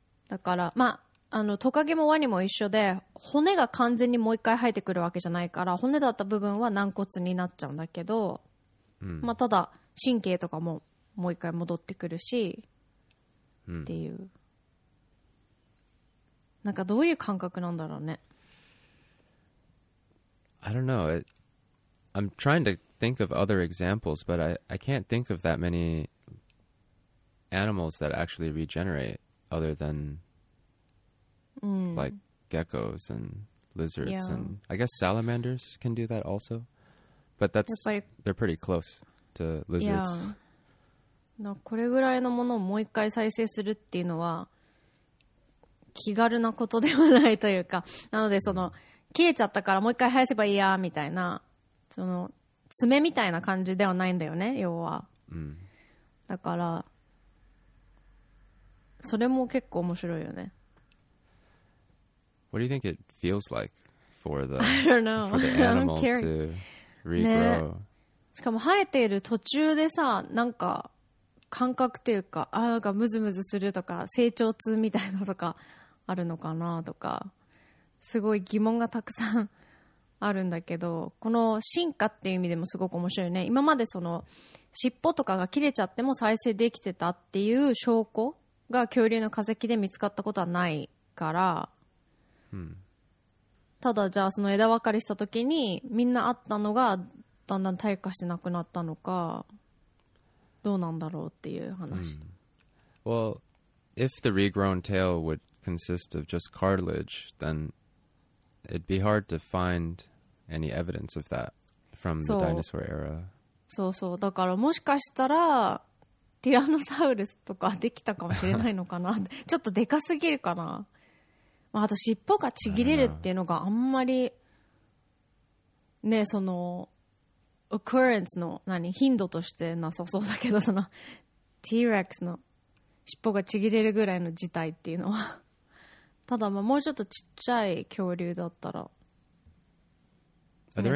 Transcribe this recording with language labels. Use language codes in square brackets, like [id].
[ja] だからまあトカゲもワニも一緒で、骨が完全にもう一回生えてくるわけじゃないから、骨だった部分は軟骨になっちゃうんだけど、まあただ神経とかももう一回戻ってくるしっていう。なんかどういう感覚なんだろうね。 [en] I don't know. I'm trying to think of other examples, but I can't think of that many animals that actually regenerate other than like geckos and lizards yeah. and I guess salamanders can do that also. But that's they're pretty close to lizards. Yeah. [ja] これぐらいのものをもう一回再生するっていうのは気軽なことではないというか、なのでその、mm. 消えちゃったからもう一回生やせばいいやみたいな、その爪みたいな感じではないんだよね、要は。 Mm. だからそれも結構面白いよね。 [en] What do you think it feels like for the, I don't know. For the animal to regrow?、ね、 [ja] しかも生えている途中でさ、なんか感覚っていうか、あ、なんかムズムズするとか成長痛みたいなとかあるのかなとか、すごい疑問がたくさんあるんだけど、この進化っていう意味でもすごく面白いね。今までその尻尾とかが切れちゃっても再生できてたっていう証拠が恐竜の化石で見つかったことはないから、 hmm. ただじゃあその枝分かれした時にみんなあったのがだんだん退化してなくなったのかどうなんだろうっていう話。 Hmm. [en] Well, if the regrown tail would consist of just cartilage, then it'd be hard to find any evidence of that from the dinosaur era. [ja] そうそう、だからもしかしたらティラノサウルスとかできたかもしれないのかなちょっとでかすぎるかな、まあ、あと尻尾がちぎれるっていうのがあんまりねそのオクレンスの何頻度としてなさそうだけど、その T-Rex の尻尾がちぎれるぐらいの事態っていうのはただまあもうちょっとちっちゃい恐竜だったら、ね、